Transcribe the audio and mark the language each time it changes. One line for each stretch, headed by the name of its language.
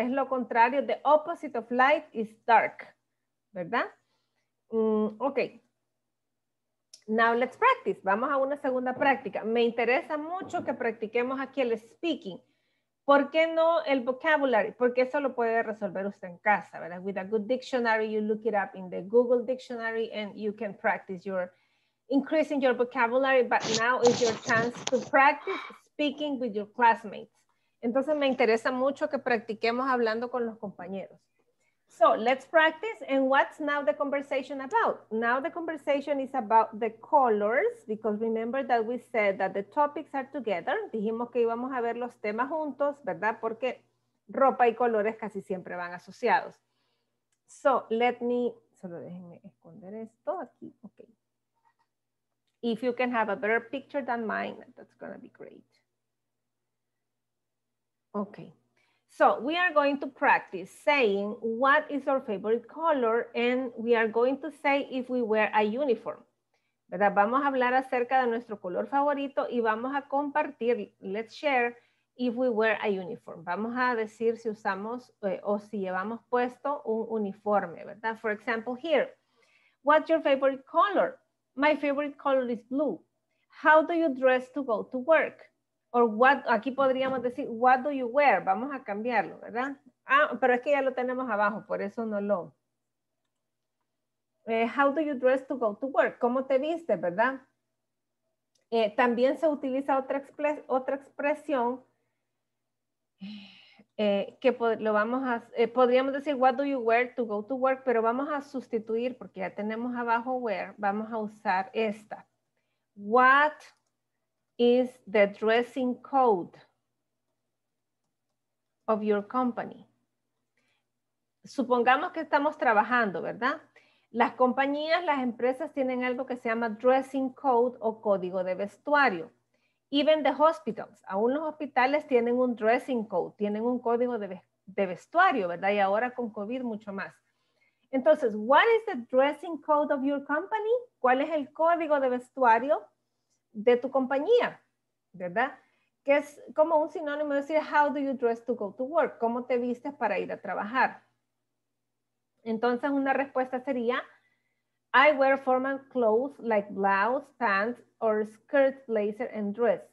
Spanish: Es lo contrario,
English: the opposite of light is dark, ¿verdad?
Spanish: Ok,
English: now let's practice,
Spanish: vamos a una segunda práctica. Me interesa mucho que practiquemos aquí el speaking. ¿Por qué no el vocabulary? Porque eso lo puede resolver usted en casa, ¿verdad?
English: With a good dictionary, you look it up in the Google dictionary and you can practice your, increasing your vocabulary, but now is your chance to practice speaking with your classmates.
Spanish: Entonces me interesa mucho que practiquemos hablando con los compañeros.
English: So let's practice. And what's now the conversation about? Now the conversation is about the colors, because remember that we said that the topics are together.
Spanish: Dijimos que íbamos a ver los temas juntos, ¿verdad? Porque ropa y colores casi siempre van asociados. So déjenme esconder esto aquí. Okay.
English: If you can have a better picture than mine, that's going to be great. Okay, so we are going to practice saying what is our favorite color, and we are going to say if we wear a uniform, ¿verdad?
Spanish: Vamos a hablar acerca de nuestro color favorito y vamos a compartir,
English: let's share, if we wear a uniform.
Spanish: Vamos a decir si usamos o si llevamos puesto un uniforme, ¿verdad?
English: For example here, what's your favorite color? My favorite color is blue. How do you dress to go to work?
Spanish: Or what, aquí podríamos decir,
English: what do you wear?
Spanish: Vamos a cambiarlo, ¿verdad? Ah, pero es que ya lo tenemos abajo, por eso no lo.
English: How do you dress to go to work?
Spanish: ¿Cómo te viste, verdad? También se utiliza otra expresión que lo vamos a, podríamos decir,
English: what do you wear to go to work?
Spanish: Pero vamos a sustituir, porque ya tenemos abajo wear, vamos a usar esta.
English: What is the dressing code of your company?
Spanish: Supongamos que estamos trabajando, ¿verdad? Las compañías, las empresas tienen algo que se llama dressing code o código de vestuario.
English: Even the hospitals,
Spanish: aún los hospitales tienen un dressing code, tienen un código de vestuario, ¿verdad? Y ahora con COVID mucho más.
English: Entonces, what is the dressing code of your company?
Spanish: ¿Cuál es el código de vestuario de tu compañía? ¿Verdad? Que es como un sinónimo de decir,
English: how do you dress to go to work?
Spanish: ¿Cómo te vistes para ir a trabajar? Entonces, una respuesta sería,
English: I wear formal clothes like blouse, pants, or skirt, blazer, and dress.